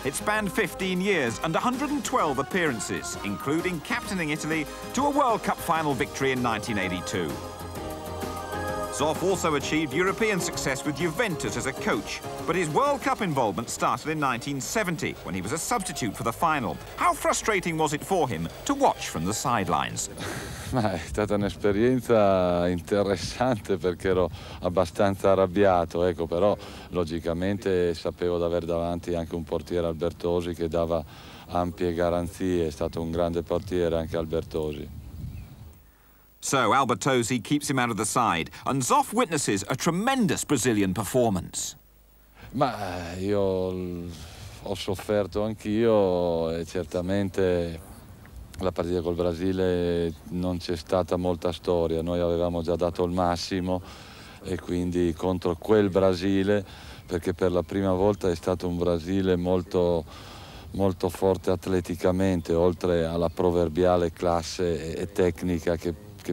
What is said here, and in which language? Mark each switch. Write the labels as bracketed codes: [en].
[en] It spanned 15 years and 112 appearances, including captaining Italy to a World Cup final victory in 1982. Zoff also achieved European success with Juventus as a coach, but his World Cup involvement started in 1970 when he was a substitute for the final. How frustrating was it for him to watch from the sidelines? [it] Ma è stata un'esperienza interessante perché ero abbastanza arrabbiato, ecco, però logicamente sapevo di aver davanti anche un portiere Albertosi che dava ampie garanzie, è stato un grande portiere anche Albertosi. [en] So Albertosi keeps him out of the side and Zoff witnesses a tremendous Brazilian performance. [it] Ma io ho sofferto anch'io e certamente la partita col Brasile non c'è stata molta storia, noi avevamo già dato il massimo e quindi contro quel Brasile, perché per la prima volta è stato un Brasile molto, molto forte atleticamente, oltre alla proverbiale classe e tecnica che